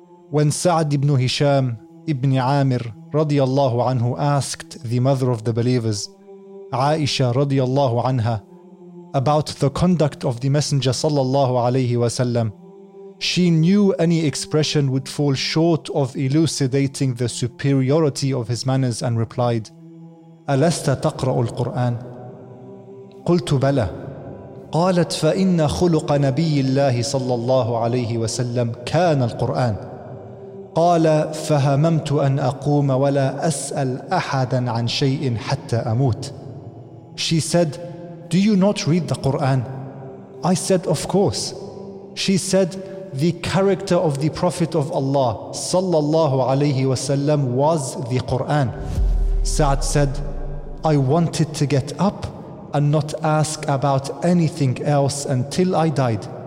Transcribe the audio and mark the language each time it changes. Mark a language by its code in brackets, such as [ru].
[en] When Sa'd ibn Hisham ibn Amir radiallahu anhu asked the mother of the believers, Aisha radiallahu anha, about the conduct of the messenger sallallahu alayhi wasallam, she knew any expression would fall short of elucidating the superiority of his manners and replied, [ar] Alasta taqra'u al-Qur'an? Qultu bala. قالت فإن خلق نبي الله صلى الله عليه وسلم كان القرآن قال فهممت أن أقوم ولا أسأل أحدا عن شيء حتى أموت. [en] She said, Do you not read the Quran? I said, Of course. She said, The character of the Prophet of Allah صلى الله عليه وسلم was the Quran. Sa'd said, I wanted to get up and not ask about anything else until I died.